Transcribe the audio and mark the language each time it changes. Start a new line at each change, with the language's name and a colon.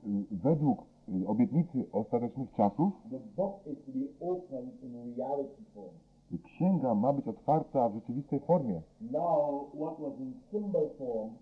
Polish: Według obietnicy ostatecznych czasów,
English: the book is to be open in reality form.
Polish: Księga ma być otwarta w rzeczywistej formie.
English: Now, what was in symbol form,